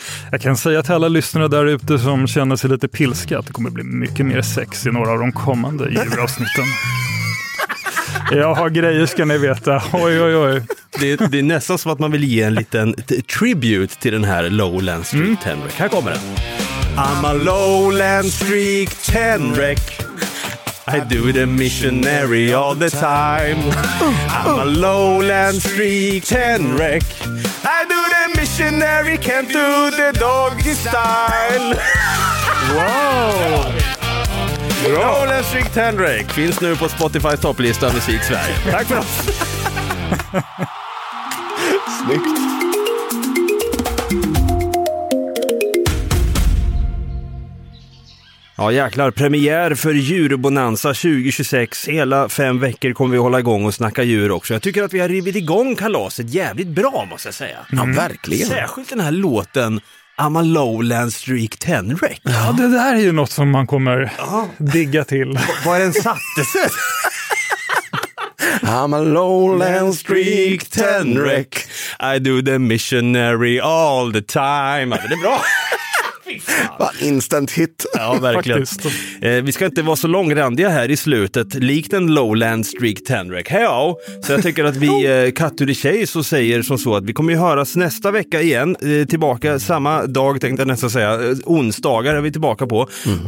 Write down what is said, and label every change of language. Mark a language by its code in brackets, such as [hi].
[sv] Jag kan säga till alla lyssnare där ute som känner sig lite pilska att det kommer bli mycket mer sex i några av de kommande djuravsnitten. Jag har grejer, ska ni veta. Oj, oj, oj. Det är nästan som att man vill ge en liten tribute till den här lowland streak tenrec. Här kommer den. [en] I'm a lowland streak tenrec. I do the missionary all the time. I'm a lowland streak tenrec. I do the missionary, can't do the doggy style. Wow. [sv] Lowland streak tenrec finns nu på Spotifys topplista musik Sverige. Tack för oss. Snyggt. Ja, jäklar, premiär för Djurbonanza 2026. Hela 5 veckor kommer vi hålla igång och snacka djur också. Jag tycker att vi har rivit igång kalaset jävligt bra, måste jag säga. Ja, verkligen. Särskilt den här låten [en] I'm a lowland streak tenrec. [sv] Ja, det där är ju något som man kommer digga till. Var den sattes? [en] I'm a lowland streak tenrec. I do the missionary all the time. [sv] Alltså, det är bra. [en] Bara instant hit. [sv] Ja, verkligen. Vi ska inte vara så långrandiga här i slutet, likt en lowland streak tenrec. Hejå! Så jag tycker att vi [en] cutter the chase [sv] och säger som så att vi kommer ju höras nästa vecka igen. Tillbaka samma dag, tänkte jag nästan säga. Onsdagar är vi tillbaka på. Mm.